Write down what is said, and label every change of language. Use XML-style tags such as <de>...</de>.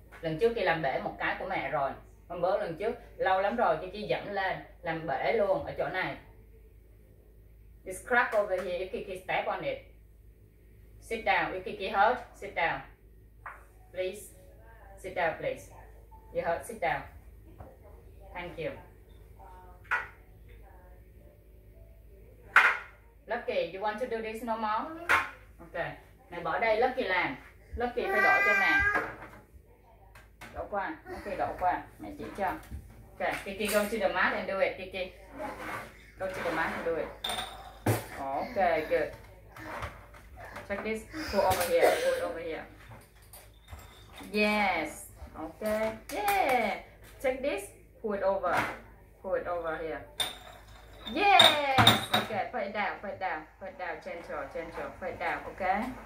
<vi>Lần trước khi làm bể một cái của mẹ rồi. Hôm bữa lần trước, lâu lắm rồi, Kiki giảm lên. Làm bể luôn ở chỗ này.</vi> <en>This crack over here, if Kiki step on it. Sit down, if Kiki hurt, sit down. Please, sit down, please. You hurt, sit down. Thank you. Lucky, you want to do this no more?</en> <vi>Okay, mẹ bỏ đây, Lucky làm. Lucky phải đổ cho mẹ. Đổ qua, Lucky đổ qua, mẹ chỉ cho.</vi> <en>Okay, Kiki go to the mat and do it, Kiki. Go to the mat and do it. Okay, good. Check this. Pull over here. Pull over here. Yes. Okay. Yeah. Check this. Pull it over. Pull it over here. Yes. Okay. Put it down. Put it down. Put it down. Gentle. Put it down. Okay.</en>